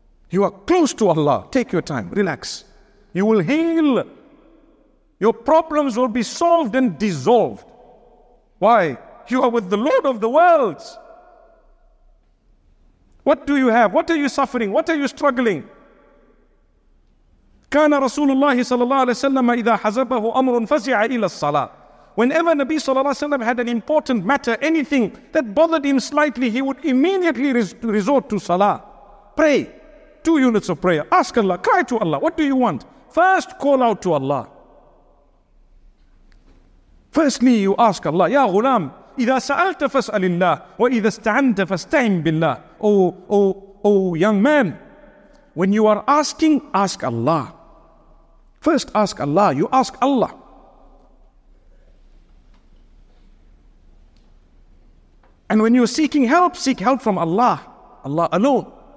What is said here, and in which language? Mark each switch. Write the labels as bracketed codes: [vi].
[en] You are close to Allah. Take your time. Relax. You will heal. Your problems will be solved and dissolved. Why? You are with the Lord of the worlds. What do you have? What are you suffering? What are you struggling? [ar] كان رسول الله صلى الله عليه وسلم إذا حزبه أمر فزع إلى الصلاة. [en] Whenever Nabi [ar] صلى الله عليه وسلم [en] had an important matter, anything that bothered him slightly, he would immediately resort to salah. Pray. 2 units of prayer. Ask Allah. Cry to Allah. What do you want? First, call out to Allah. Firstly, you ask Allah. Ya [ar] غلام. إذا سألت فاسأل الله وإذا استعنت فاستعن بالله. [en] Oh young man, when you are asking, ask Allah. First ask Allah, you ask Allah. And when you are seeking help, seek help from Allah, Allah alone.